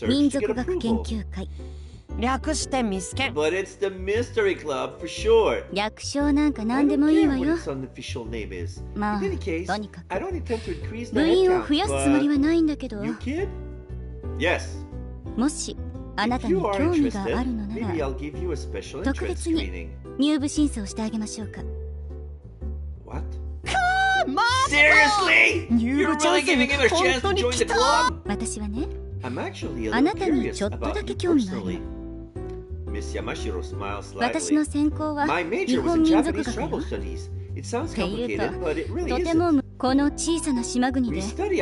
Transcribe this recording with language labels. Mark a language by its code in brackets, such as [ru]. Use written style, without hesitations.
[ja] 来年の正式な活動開始に備えて。分かってますって。活動内容は、民族。ミステリー研究会だろ?ミステリー研究会だと遊びのサークルみたいでしょ?学校の許可も下りにくい。なので、民族学研究会。略して MISKEN. [en] But it's the mystery club for short. [ja] 略称なんか何でもいいわよ。 [en] I don't care what its unofficial name is. In any case, I don't intend to increase the headcount, but... New kid? Yes. [ja] もしあなたに興味があるのなら、 [en] maybe I'll give you a special entrance screening. [ja] 特別に入部審査をしてあげましょうか。 [en] What? Come on! Seriously? You're really giving him a chance to join the club? [ja] 私はね、 [en] I'm actually a little curious about you personally. Miss Yamashiro smiles slightly. My major was in Japanese tribal studies. It sounds complicated, but it really isn't. We study